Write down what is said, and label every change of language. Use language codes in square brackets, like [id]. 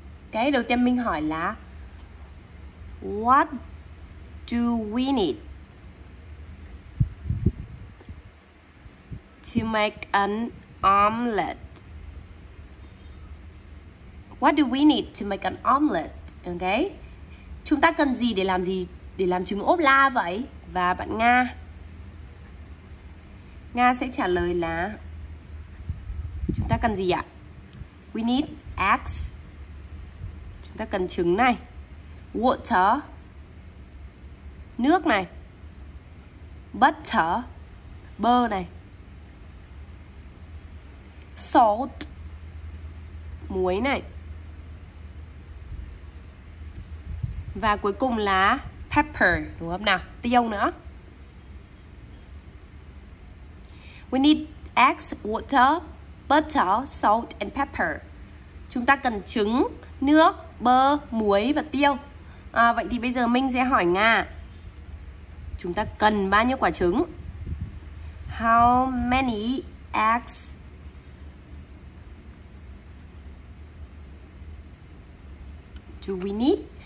[vi] Cái đầu tiên mình hỏi là [en] what do we need to make an omelette? What do we need to make an omelette? [vi] Ok, chúng ta cần gì để làm gì, để làm trứng ốp la vậy? Và bạn Nga, Nga sẽ trả lời là chúng ta cần gì ạ? [en] We need eggs, [vi] ta cần trứng này, water, nước này, butter, bơ này, salt, muối này, và cuối cùng là pepper, đúng không nào? Tiêu nữa. [en] We need eggs, water, butter, salt and pepper. [vi] Chúng ta cần trứng, nước, bơ, muối và tiêu. Vậy thì bây giờ mình sẽ hỏi Nga, chúng ta cần bao nhiêu quả trứng? [en] How many eggs do we need?